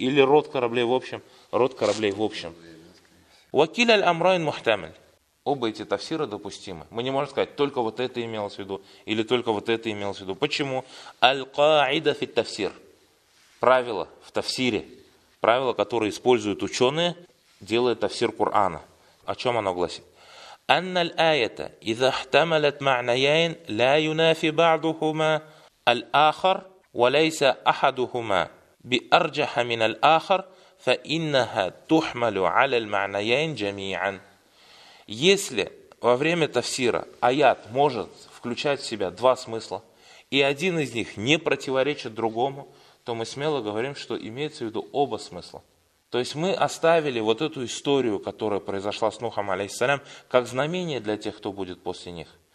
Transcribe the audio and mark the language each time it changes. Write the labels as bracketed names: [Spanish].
[Russian] Или род кораблей в общем? Род кораблей в общем. [Arabic] Вакиль аль-амрайн мухтамиль. [Russian] Оба эти тафсира допустимы. Мы не можем сказать, только вот это имелось в виду, или только вот это имелось в виду. Почему? [Arabic] Аль-каида фит тафсир. [Russian] Правило в тафсире. Правило, которое используют ученые, делая тафсир Кур'ана. О чем оно гласит? [Arabic] أن الآية إذا احتملت معنيين لا ينافي بعضهما الآخر وليس أحدهما بأرجح من الآخر فإنها تحمل على المعنيين جميعا. [Russian] Если во время тафсира аят может включать в себя два смысла, и один из них не противоречит другому, то мы смело говорим, что имеется в виду оба смысла. То есть мы оставили вот эту историю, которая произошла с Нухом, алейхиссалям, как знамение для тех, кто будет после них.